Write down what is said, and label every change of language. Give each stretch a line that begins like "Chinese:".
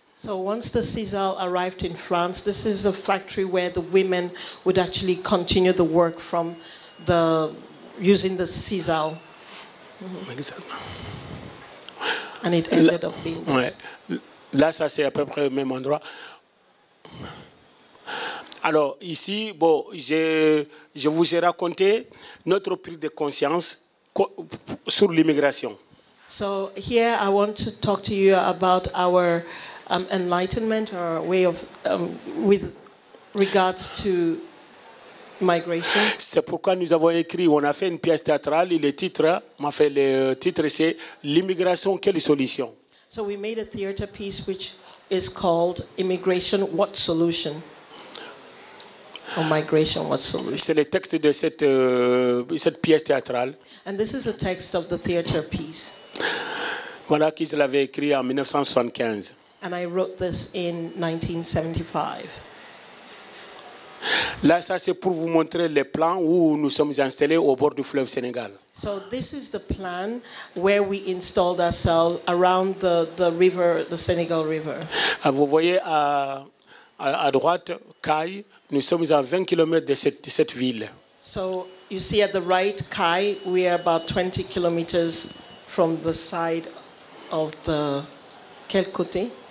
English: So once the CISAL arrived in France, this is a factory where the women would actually continue the work from using the CISAL. Exactly. And it ended up being this.
French: Ouais. Là, ça, c'est à peu près au même endroit. Alors, ici, bon, je vous ai raconté notre prise de conscience sur l'immigration.
English: So, here, I want to talk to you about our enlightenment, or way of, with regards to migration.
French: C'est pourquoi nous avons écrit, on a fait une pièce théâtrale, et le titre, c'est l'immigration, quelle solution?
English: So we made a theater piece which is called Immigration, What Solution? Or Migration, What Solution?
French: C'est le texte de cette pièce théâtrale.
English: And this is a text of the theater piece.
French: Voilà qui je l'avais écrit en 1975.
English: And I wrote this in 1975.
French: Là, ça c'est pour vous montrer les plans où nous sommes installés au bord du fleuve Sénégal.
English: So this is the plan where we installed ourselves around the river, the Senegal River.
French: Vous voyez à droite, Kai, nous sommes à 20 km de cette ville.
English: So you see at the right, Kai, we are about 20 km from the side of the,
French: quel côté?